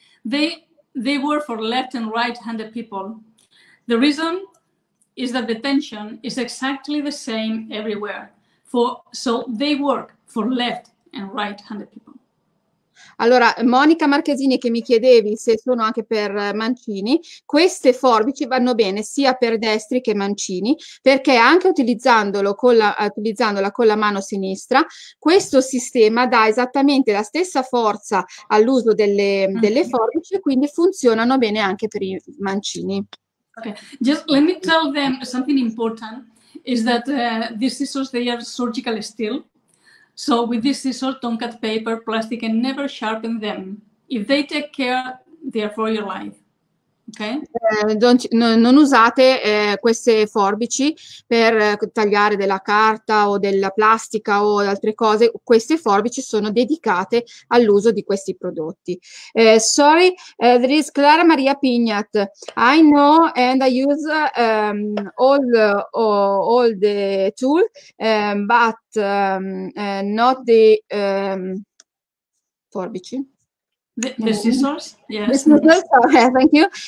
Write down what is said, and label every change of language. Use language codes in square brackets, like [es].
[en] They were for left and right-handed people. The reason is that the tension is exactly the same everywhere. So they work for left and right-handed people. [it] Allora, Monica Marchesini, che mi chiedevi se sono anche per mancini, queste forbici vanno bene sia per destri che mancini, perché anche utilizzandola con la mano sinistra, questo sistema dà esattamente la stessa forza all'uso delle forbici, quindi funzionano bene anche per i mancini. [en] Okay, just let me tell them something important, is that these scissors, they are surgical steel. So with this scissors, don't cut paper, plastic, and never sharpen them. If they take care, they are for your life. [it] Non usate queste forbici per tagliare della carta o della plastica o altre cose. Queste forbici sono dedicate all'uso di questi prodotti. [en] Sorry, there is Clara Maria Pignat. I know and I use all the tool, but not the forbici. The scissors. Yes, thank you.